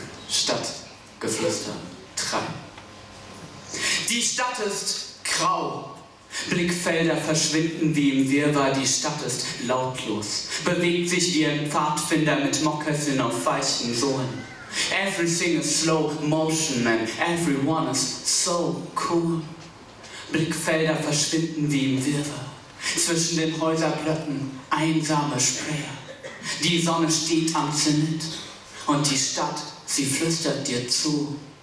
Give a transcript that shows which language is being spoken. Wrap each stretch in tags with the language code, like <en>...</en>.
<de>Stadtgeflüster. 3. Die Stadt ist grau. Blickfelder verschwinden wie im Wirrwarr, die Stadt ist lautlos, bewegt sich wie ein Pfadfinder mit Mokassin auf weichen Sohlen.</de> <en>Everything is slow motion and everyone is so cool.</en> <de>Blickfelder verschwinden wie im Wirrwarr, zwischen den Häuserblöcken einsame Späher. Die Sonne steht am Zenit und die Stadt, sie flüstert dir zu.</de>